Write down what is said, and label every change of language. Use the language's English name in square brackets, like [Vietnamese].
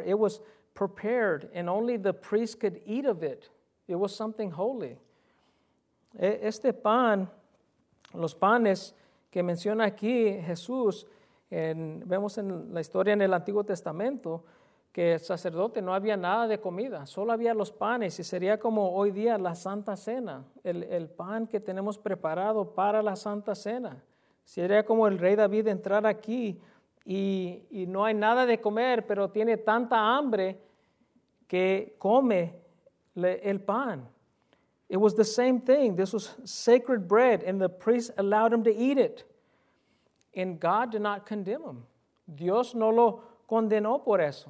[English] It was prepared, and only the priest could eat of it. It was something holy. [Spanish] Este pan, los panes que menciona aquí Jesús, vemos en la historia en el Antiguo Testamento, que el sacerdote no había nada de comida, solo había los panes, y sería como hoy día la Santa Cena, el pan que tenemos preparado para la Santa Cena. Sería como el rey David entrar aquí y no hay nada de comer, pero tiene tanta hambre que come el pan. [English] It was the same thing. This was sacred bread, and the priest allowed him to eat it. And God did not condemn him. [Spanish] Dios no lo condenó por eso.